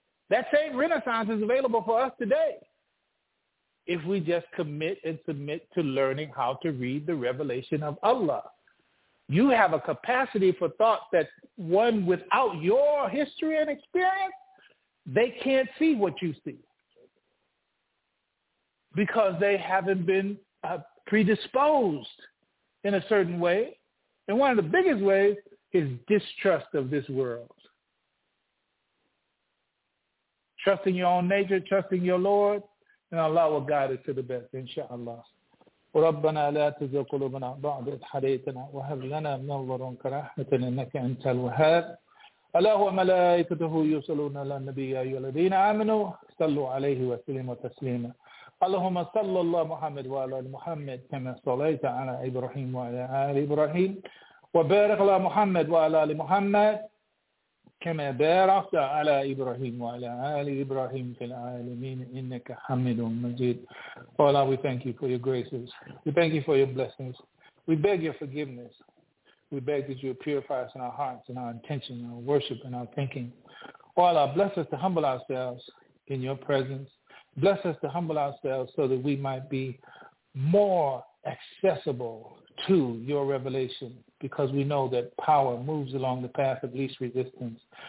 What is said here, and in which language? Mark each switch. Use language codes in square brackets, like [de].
[en] That same Renaissance is available for us today. If we just commit and submit to learning how to read the revelation of Allah, you have a capacity for thought that one without your history and experience, they can't see what you see because they haven't been predisposed in a certain way. And one of the biggest ways is distrust of this world. Trusting your own nature, trusting your Lord, and Allah will guide us to the best, inshallah. [ar] وربنا لا تزغ قلوبنا بعد إذ هديتنا وهب لنا من لدنك رحمة إنك أنت الوهاب الله وملائكته يصلون على النبي أيها الذين آمنوا صلوا عليه وسلموا تسليما اللهم صل الله محمد وعلى محمد كما صليت على إبراهيم وعلى آل إبراهيم وبارك على محمد وعلى آل محمد كما باركت على إبراهيم وعلى آل إبراهيم في العالمين إنك حميد مجيد. [en] Oh Allah, we thank you for your graces. We thank you for your blessings. We beg your forgiveness. We beg that you purify us in our hearts and our intention, our worship and our thinking. Oh Allah, bless us to humble ourselves in your presence. Bless us to humble ourselves so that we might be more accessible to your revelation, because we know that power moves along the path of least resistance.